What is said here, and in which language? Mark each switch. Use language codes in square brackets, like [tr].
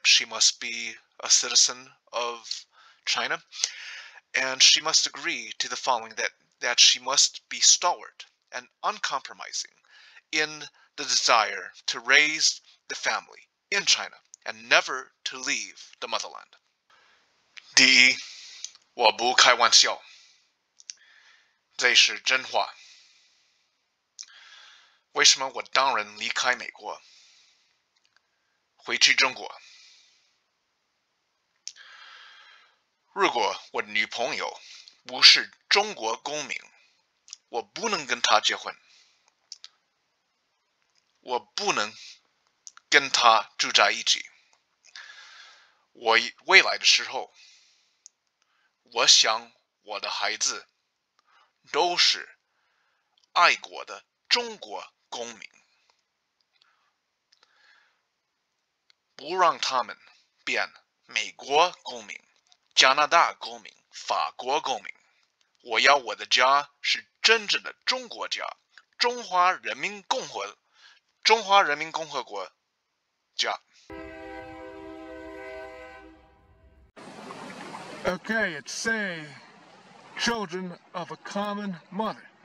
[en] She must be a citizen of China. And she must agree to the following, that she must be stalwart and uncompromising in the desire to raise the family in China and never to leave the motherland. [zh] 第一，我不开玩笑，这是真话。为什么我当然离开美国，回去中国？如果我女朋友不是中国公民，我不能跟她结婚，我不能跟她住在一起。我未来的时候，我想我的孩子都是爱国的中国公民，不让他们变美国公民、加拿大公民、法国公民。我要我的家是真正的中国家，中华人民共和国家。 [en] Okay, it's say, children of a common mother.